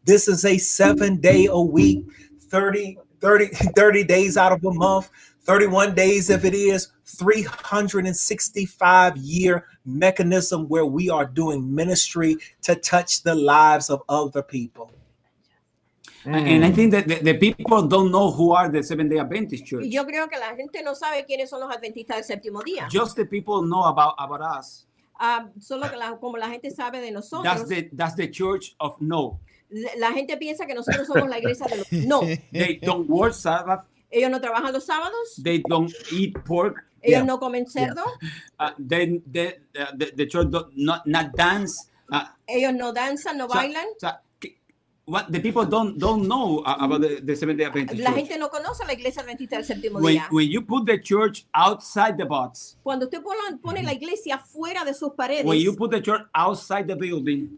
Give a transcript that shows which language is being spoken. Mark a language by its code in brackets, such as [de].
[en] This is a 7 day a week, 30 days out of a month, 31 days if it is, 365 year mechanism where we are doing ministry to touch the lives of other people. And I think that the people don't know who are the Seventh-day Adventist Church. [es] Yo creo que la gente no sabe quiénes son los adventistas del séptimo día. [en] Just the people know about us. [es] Solo que como la gente sabe de nosotros. [en] That's the church of no. [es] La gente piensa que nosotros somos la iglesia de los no. [en] They don't work Sabbath. [es] Ellos no trabajan los sábados. [en] They don't eat pork. [es] Ellos no comen cerdo. [en] The church not dance. [es] Ellos no danzan, no bailan. [en] What the people don't know about the Seventh-day Adventist Church. [es] La gente no conoce la iglesia adventista del séptimo día. [en] When you put the church outside the box. [es] Cuando usted pone la iglesia fuera de sus paredes. [en] When you put the church outside the building.